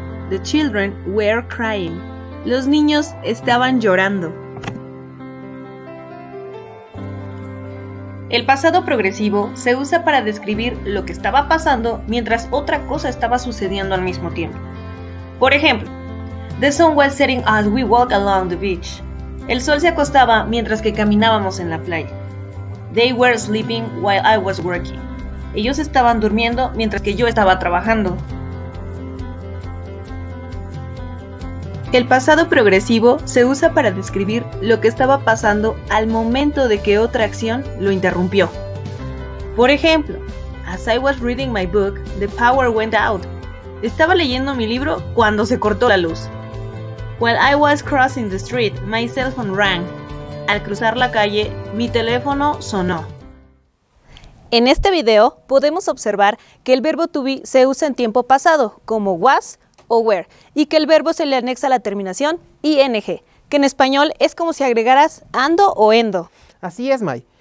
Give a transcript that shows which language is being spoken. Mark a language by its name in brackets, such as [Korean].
[English] The children were crying, [Spanish] los niños estaban llorando. El pasado progresivo se usa para describir lo que estaba pasando mientras otra cosa estaba sucediendo al mismo tiempo. Por ejemplo, [English] the sun was setting as we walked along the beach. [Spanish] El sol se acostaba mientras que caminábamos en la playa. [English] They were sleeping while I was working. [Spanish] Ellos estaban durmiendo mientras que yo estaba trabajando. El pasado progresivo se usa para describir lo que estaba pasando al momento de que otra acción lo interrumpió. Por ejemplo, [English] as I was reading my book, the power went out. [Spanish] Estaba leyendo mi libro cuando se cortó la luz. [English] While I was crossing the street, my cell phone rang. [Spanish] Al cruzar la calle, mi teléfono sonó. En este video podemos observar que el verbo to be se usa en tiempo pasado, como was o were, y que el verbo se le anexa la terminación ing, que en español es como si agregaras ando o endo. Así es, May.